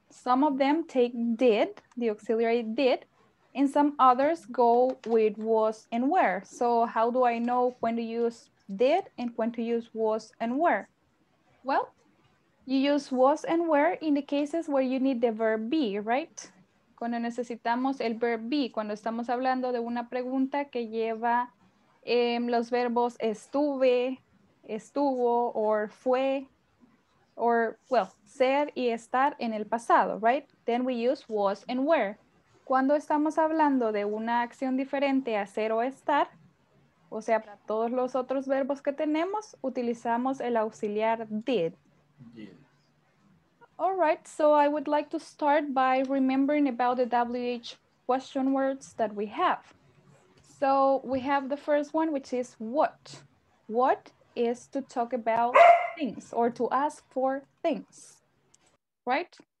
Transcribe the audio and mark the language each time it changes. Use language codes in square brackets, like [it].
[en] Some of them take did, the auxiliary did, and some others go with was and where. So how do I know when to use did and when to use was and where? Well, you use was and where in the cases where you need the verb be, right? [es] Cuando necesitamos el verb be, cuando estamos hablando de una pregunta que lleva los verbos estuve, estuvo, [en] or [es] fue, [en] or, well, [es] ser y estar en el pasado, [en] right? Then we use was and where. [es] Cuando estamos hablando de una acción diferente a ser o estar, o sea, para todos los otros verbos que tenemos, utilizamos el auxiliar did. [en] All right, so I would like to start by remembering about the WH question words that we have. So we have the first one, which is what. What is to talk about things or to ask for things, right?